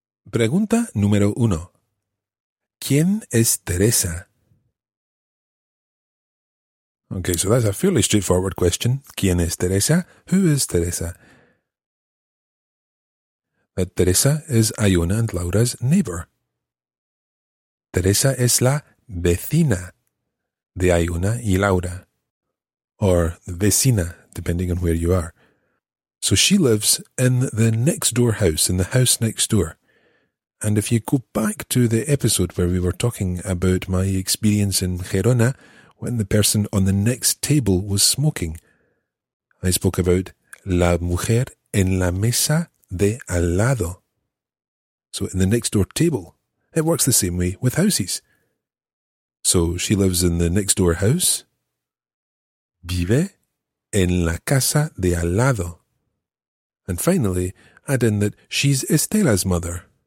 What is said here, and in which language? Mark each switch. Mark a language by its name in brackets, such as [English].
[Spanish] Pregunta número uno. ¿Quién es Teresa? [English] Okay, so that's a fairly straightforward question. [Spanish] ¿Quién es Teresa? [English] Who is Teresa? That Teresa is Ayona and Laura's neighbor. [Spanish] Teresa es la vecina de Ayona y Laura. [English] Or vecina, depending on where you are. So she lives in the next door house, in the house next door. And if you go back to the episode where we were talking about my experience in Gerona, when the person on the next table was smoking, I spoke about [Spanish] la mujer en la mesa de al lado. [English] So in the next door table. It works the same way with houses. So she lives in the next door house. [Spanish] Vive en la casa de al lado. [English] And finally, add in that she's Estela's mother.